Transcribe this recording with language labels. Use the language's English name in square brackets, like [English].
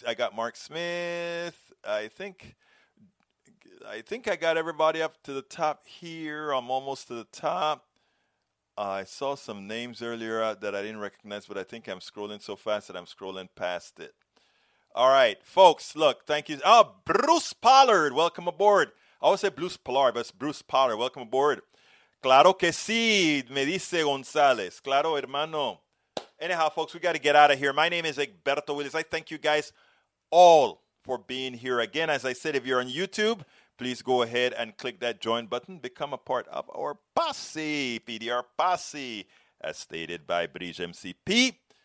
[English] I got Mark Smith. I think I got everybody up to the top here. I'm almost to the top. I saw some names earlier that I didn't recognize, but I think I'm scrolling so fast that I'm scrolling past it. All right, folks, look, thank you. Oh, Bruce Pollard, welcome aboard. I always say Bruce Pollard, but it's Bruce Pollard. Welcome aboard. [Spanish] Claro que sí, me dice González. Claro, hermano. [English] Anyhow, folks, we got to get out of here. My name is Egberto Willis. I thank you guys all for being here again. As I said, if you're on YouTube, please go ahead and click that join button. Become a part of our posse, PDR posse, as stated by Bridge MCP.